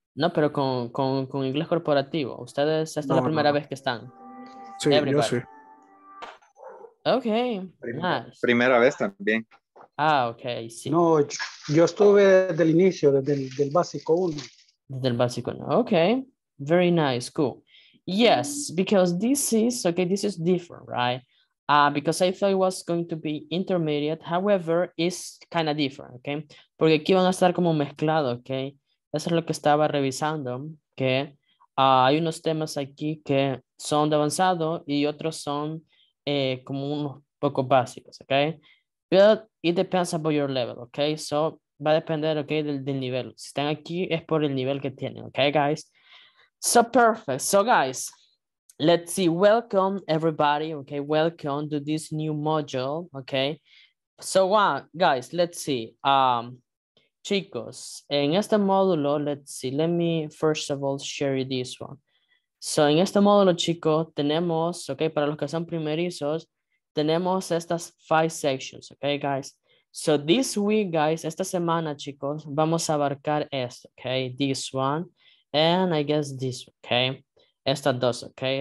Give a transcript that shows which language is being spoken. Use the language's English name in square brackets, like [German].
[Spanish] No, pero con inglés corporativo. Ustedes, esta es la primera vez que están. Sí, everybody. Yo sí. Ok. Primera vez también. Ah, ok, sí. No, yo estuve desde el inicio, desde el del básico 1. Desde el básico 1, ok. [English] Very nice, cool. Yes, because this is, okay, this is different, right? Because I thought it was going to be intermediate. However, it's kind of different, okay? [Spanish] Porque aquí van a estar como mezclado, okay? Eso es lo que estaba revisando, que okay? Hay unos temas aquí que son de avanzado y otros son como unos poco básicos, okay? [English] But it depends about your level, okay? So, [Spanish] va a depender, [English] okay, [Spanish] del nivel. Si están aquí, es por el nivel que tienen, okay, guys? [English] So perfect. So guys, let's see. Welcome everybody. Okay, welcome to this new module. Okay. So guys, let's see. [Spanish] Chicos, en este módulo, [English] let's see. Let me first of all share you this one. [Spanish] So en este módulo, chicos, tenemos, okay, para los que son primerizos, tenemos estas 5 sections. [English] Okay, guys. So this week, guys, [Spanish] esta semana, chicos, vamos a abarcar esto. [English] Okay, this one. And I guess this, okay? [Spanish] Estas dos, [English] okay?